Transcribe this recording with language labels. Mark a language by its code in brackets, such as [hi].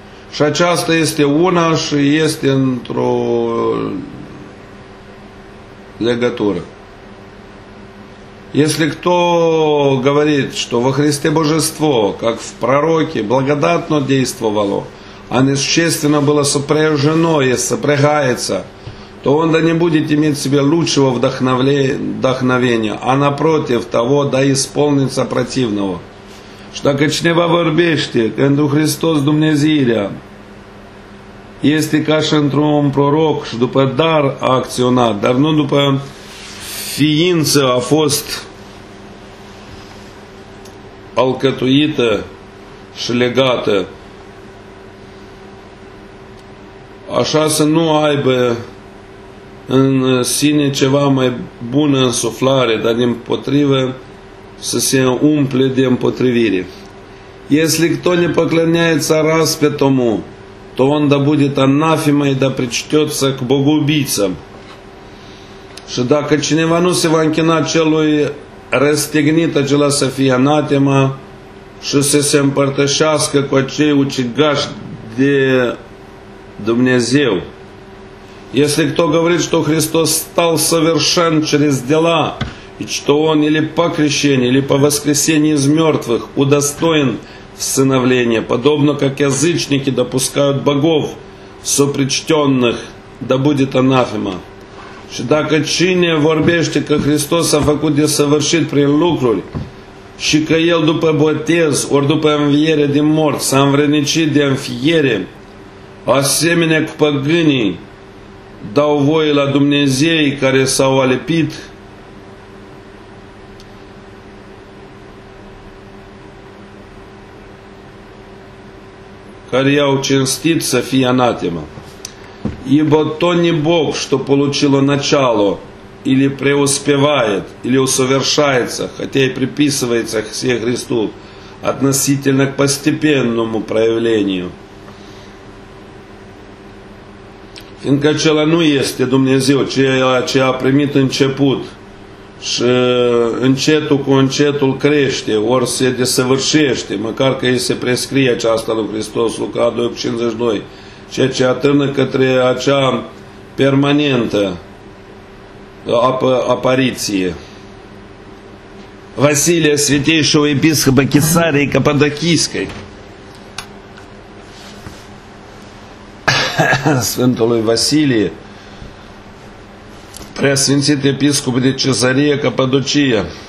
[ro] Și aceasta este una și este într-o legătură. [ru] Если кто говорит, что во Христе божество, как в пророке, благодатно действовало, а несущественно было сопряжено и сопрягается, то он да не будет иметь в себе лучшего вдохновения, а напротив того да исполнится противного. [ro] Și dacă cineva vorbește că într-un Hristos Dumnezeirea este ca și într-un proroc și după dar a acționat, dar nu după ființă a fost alcătuită și legată, așa să nu aibă în sine ceva mai bună însuflare, dar din potrivă să se umple de împotrivire. [ru] Если кто не поклоняется распятому, то он да будет анафема и да причтется к богоубийцам. [ro] Și dacă cineva nu se va închina celui răstignit, acela să fie anatema și să se împărtășească cu acei ucigași de Dumnezeu. [ru] Если кто говорит, что Христос стал совершен через дела, и что он или по крещению, или по воскресению из мертвых удостоен всыновления, подобно как язычники допускают богов сопричтенных, да будет анафема. [ro] Și dacă cine vorbește că Hristos a făcut de săvârșit prin lucruri și că El după botez, ori după înviere din mort, s-a învrednicit de înfiere, asemenea cu păgânii, dau voie la Dumnezei care s-au alipit, care i-au cinstit să fie anatema. [ru] Ibă to ni Bog, що получило начало, или преуспевает, или усовершается, хотя и приписывается все Христу, относительно к постепенному проявлению. [ro] Fiindcă acela nu este Dumnezeu, ceea ce a primit început, și încetul cu încetul crește, ori se desăvârșește, măcar că îi se prescrie aceasta lui Hristos, Luca 2,52, ceea ce atârnă către acea permanentă apariție. [ru] Василия Святейшего епископа Кесарии Каппадокийской, Святого Василия, Преосвятит епископ Кесария Каппадокия,